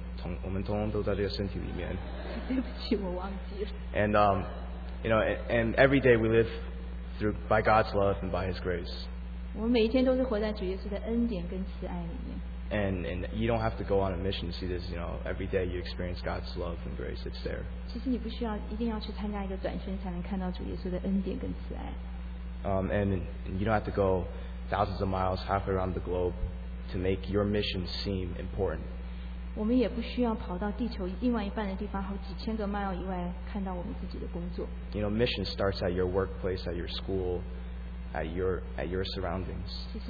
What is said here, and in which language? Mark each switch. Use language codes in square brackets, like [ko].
[zh] 靠着神的恩典，我们通通都在这个身体里面。对不起，我忘记了。 [en] And you know, and every day we live through by God's love and by His grace. [zh] 我们每一天都是活在主耶稣的恩典跟慈爱里面。 [en] And you don't have to go on a mission to see this. You know, every day you experience God's love and grace. It's there. [zh] 其实你不需要一定要去参加一个短宣，才能看到主耶稣的恩典跟慈爱。 [en] And you don't have to go thousands of miles halfway around the globe to make your mission seem important. [zh] 我们也不需要跑到地球另外一半的地方，好几千个mile以外，看到我们自己的工作。 [en] You know, mission starts at your workplace, at your school, at your surroundings.